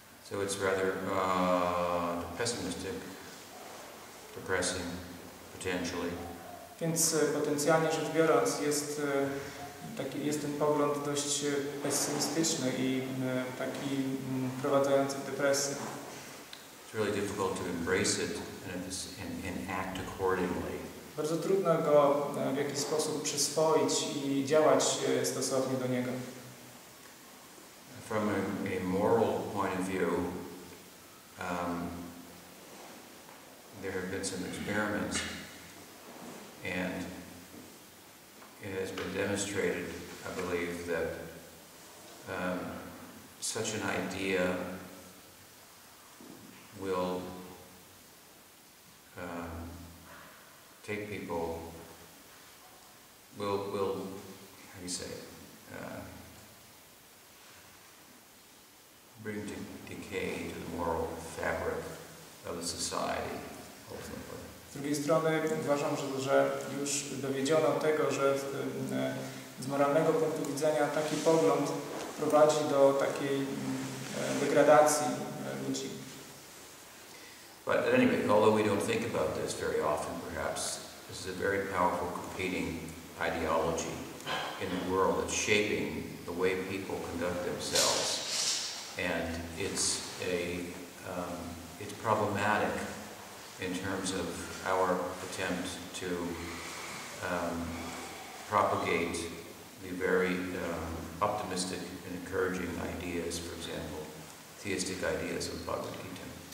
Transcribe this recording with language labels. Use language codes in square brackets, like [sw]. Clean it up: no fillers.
[en] So it's rather pessimistic, depressing, potentially. [pl] Więc potencjalnie rzecz biorąc jest taki, jest ten pogląd dość pesymistyczny i taki prowadzający w depresję. [en] It's really difficult to embrace it and act accordingly. [pl] Bardzo trudno go w jakiś sposób przyswoić i działać stosownie do niego. [en] From a moral point of view, there have been some experiments, and it has been demonstrated, I believe, that such an idea will take people, will how do you say it? Bring decay to the moral fabric of the society, ultimately. [pl] Z drugiej strony uważam, że już dowiedziono tego, że z moralnego punktu widzenia taki pogląd prowadzi do takiej degradacji ludzi. [en] But anyway, although we don't think about this very often, perhaps this is a very powerful competing ideology in the world that's shaping the way people conduct themselves. And it's a it's problematic in terms of our attempt to propagate the very optimistic and encouraging ideas, for example, theistic ideas of Bhagavad Gita.